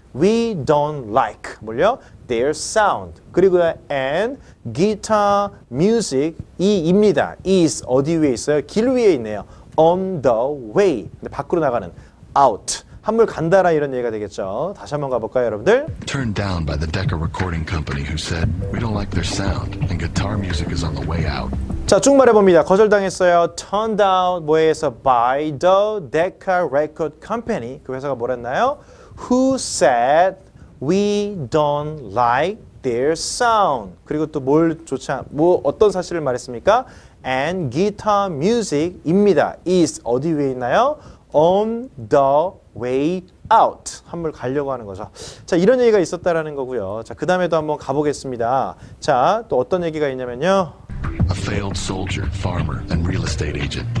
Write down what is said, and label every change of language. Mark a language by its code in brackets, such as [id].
[en] We don't like. [ko] 뭘요? [en] Their sound. [ko] 그리고 [en] and guitar music. [ko] 이입니다. [en] Is [ko] 어디 위에 있어요? 길 위에 있네요. [en] On the way. [ko] 근데 밖으로 나가는. [en] Out. [ko] 한물 간다라 이런 얘기가 되겠죠. 다시 한번 가볼까요, 여러분들? [en] Turned down by the Decca Recording Company who said we don't like their sound and guitar music is on the way out. [ko] 자, 쭉 말해봅니다. 거절당했어요. [en] Turned down [ko] 뭐에서 [en] by the Decca Record Company. [ko] 그 회사가 뭐랬나요? [en] Who said we don't like their sound. [ko] 그리고 또 뭘 좋지 않, 뭐 어떤 사실을 말했습니까? [en] And guitar music입니다. Is [ko] 어디 위에 있나요? [en] On the way out. [ko] 한물 가려고 하는 거죠. 자, 이런 얘기가 있었다라는 거고요. 자, 그 다음에도 한번 가보겠습니다. 자, 또 어떤 얘기가 있냐면요. [en] A failed soldier, farmer, and real estate agent.